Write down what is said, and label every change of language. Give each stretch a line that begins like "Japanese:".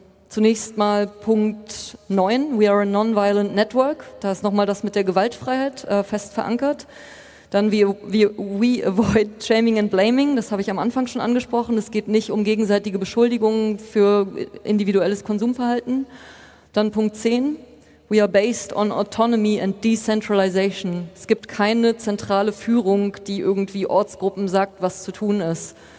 German: Zunächst mal Punkt 9,
English: we are a non-violent network.
German: Da ist nochmal das mit der Gewaltfreiheit fest verankert. Dann
English: we avoid shaming and blaming,
German: das habe ich am Anfang schon angesprochen. Es geht nicht um gegenseitige Beschuldigungen für individuelles Konsumverhalten. Dann Punkt 10,
English: we are based on autonomy and decentralization.
German: Es gibt keine zentrale Führung, die irgendwie Ortsgruppen sagt, was zu tun ist.